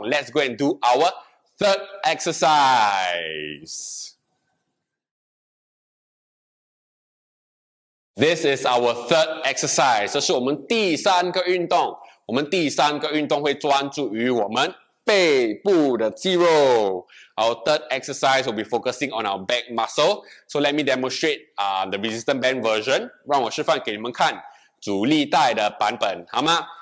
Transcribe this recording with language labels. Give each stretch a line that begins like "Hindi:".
English: Let's go and do our third exercise. This is our third exercise.
Chinese: 这是我们第三个运动。我们第三个运动会专注于我们背部的肌肉。
English: Our third exercise will be focusing on our back muscle. So let me demonstrate the resistance band version.
Chinese: 让我示范给你们看阻力带的版本，好吗？